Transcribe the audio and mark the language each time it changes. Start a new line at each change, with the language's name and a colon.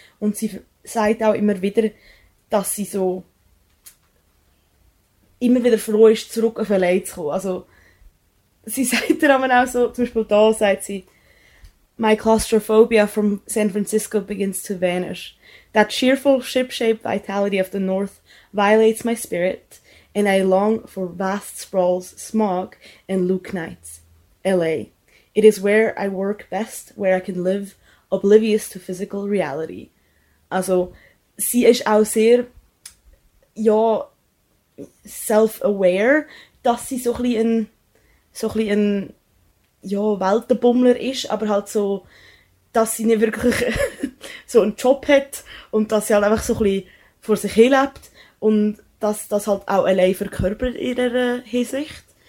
German: Und sie sagt auch immer wieder, dass sie so immer wieder froh ist, zurück auf L.A. zu kommen. Also, sie sagt dann auch so, zum Beispiel da sagt sie,
English: "My claustrophobia from San Francisco begins to vanish. That cheerful ship-shaped vitality of the North violates my spirit. And I long for vast sprawls, smog, and Luke nights. L.A. It is where I work best, where I can live oblivious to physical reality."
German: Also, sie ist auch sehr, ja, self-aware, dass sie so ein, ja, Weltenbummler ist, aber halt so, dass sie nicht wirklich so einen Job hat und dass sie halt einfach so ein bisschen vor sich hin lebt und dass das halt auch allein verkörpert in ihrer Hinsicht.